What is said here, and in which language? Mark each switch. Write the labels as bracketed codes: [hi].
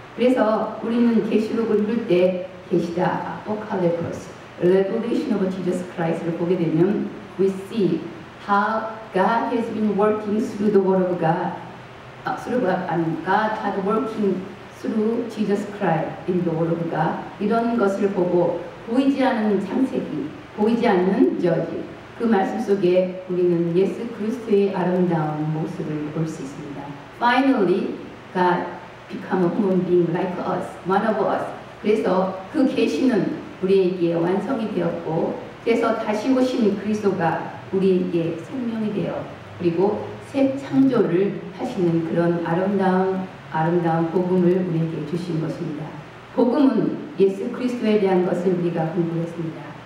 [ko] 그래서 우리는 계시록을 읽을 때 계시다 아포칼립토스, [en] Revelation of Jesus Christ [ko] 를 보게 되면 [en] we see how God has been working through the word of God had working through Jesus Christ in the word of God. [ko] 이런 것을 보고 보이지 않는 창세기, 보이지 않는 저기 그 말씀 속에 우리는 예수 그리스도의 아름다운 모습을 볼 수 있습니다. [en] Finally, God become a human being like us, one of us. [ko] 그래서 그 계시는 우리에게 완성이 되었고, 그래서 다시 오신 그리스도가 우리에게 생명이 되어 그리고 새 창조를 하시는 그런 아름다운 복음을 우리에게 주신 것입니다. 복음은 예수 그리스도에 대한 것을 우리가 공부했습니다.